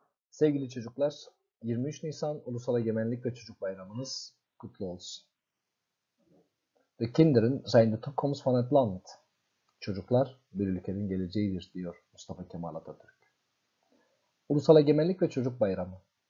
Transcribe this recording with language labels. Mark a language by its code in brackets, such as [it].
[tr] Sevgili çocuklar, 23 Nisan Ulusal Egemenlik ve Çocuk Bayramınız kutlu olsun. [nl] The Kinderen zijn de toekomst van het land. [tr] Çocuklar bir ülkenin geleceğidir, diyor Mustafa Kemal Atatürk. Ulusal Egemenlik ve Çocuk Bayramı.